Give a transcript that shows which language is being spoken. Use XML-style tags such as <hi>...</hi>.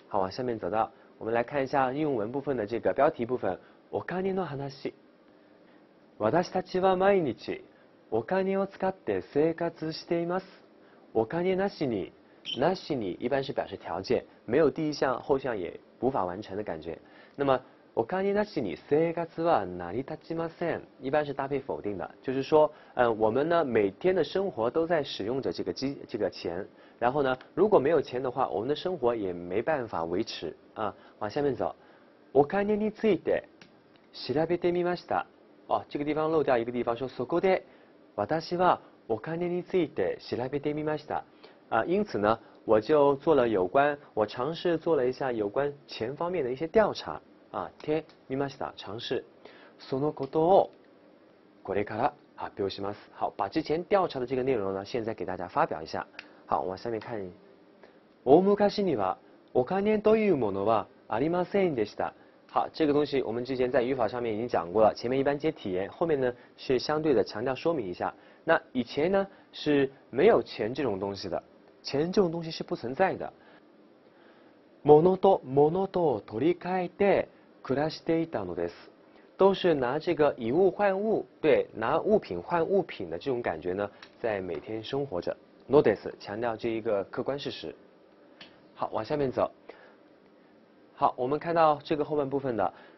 <zh>好，往下面走道，我们来看一下英文部分的这个标题部分。</zh> <ja>お金の話。私たちは毎日お金を使って生活しています。お金なしに、なしに</ja> <zh>一般是表示条件，没有第一项后项也无法完成的感觉。</zh> <ja>那么お金なしに生活は成り立ちません。</ja> <zh>一般是搭配否定的，就是说，我们呢每天的生活都在使用着这个钱，然后呢，如果没有钱的话，我们的生活也没办法维持啊。往下面走，</zh> <ja>お金について調べてみました。</ja> <zh>哦，这个地方漏掉一个地方，说</zh> <ja>そこで私はお金について調べてみました。</ja> <zh>啊，因此呢，我尝试做了一下有关钱方面的一些调查。</zh> <ja>あ、てみました。</ja> <zh>尝试。</zh> <ja>そのことをこれから発表します。</ja> <zh>好、把之前调查的这个内容呢现在给大家发表一下。好、我下面看。</zh> <ja>大昔にはお金というものはありませんでした。</ja> <zh>好、这个东西我们之前在语法上面已经讲过了，前面一般接体言，后面呢是相对的强调说明一下。那以前呢是没有钱这种东西的，钱这种东西是不存在的。</zh> <ja>ものとものとを取り替えて暮らしていたのです。</ja> <zh>都是拿这个以物换物，对，拿物品换物品的这种感觉呢，在每天生活着。</zh> <ja>のです，</ja> <zh>强调这一个客观事实。好，往下面走。好，我们看到这个后半部分的。</zh>